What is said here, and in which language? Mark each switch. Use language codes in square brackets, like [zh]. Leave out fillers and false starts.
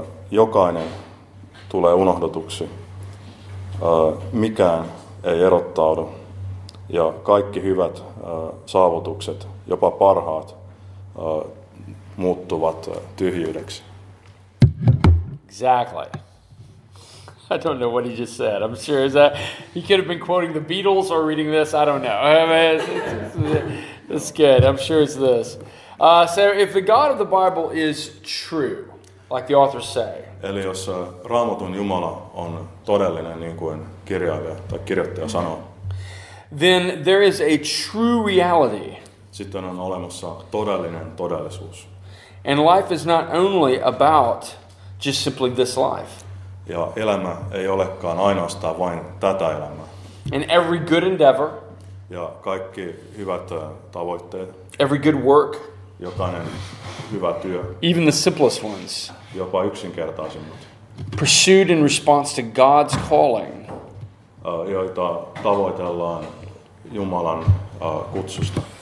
[fi] Jokainen tulee unohdetuksi, mikään ei erottaudu. Ja kaikki hyvät saavutukset, jopa parhaat, muuttuvat tyhjyydeksi. [en] Exactly. I don't know what he just said. I'm sure that he could have been quoting the Beatles or reading this. I don't know. It's good. I'm sure it's this. So if the God of the Bible is true, like the authors say. [fi] Eli jos Raamatun Jumala on todellinen, niin kuin kirjailija tai kirjoittaja sanoo, [en] then there is a true reality. [fi] Sitten on olemassa todellinen todellisuus. [en] And life is not only about just simply this life. [fi] Ja elämä ei olekaan ainoastaan vain tätä elämää. [en] And every good endeavor. [fi] Ja kaikki hyvät tavoitteet. [en] Every good work. [fi] Jokainen hyvä työ. [en] Even the simplest ones. [fi] Jopa yksinkertaisimmat. [en] Pursued in response to God's calling. [fi] Joita tavoitellaan Jumalan kutsusta.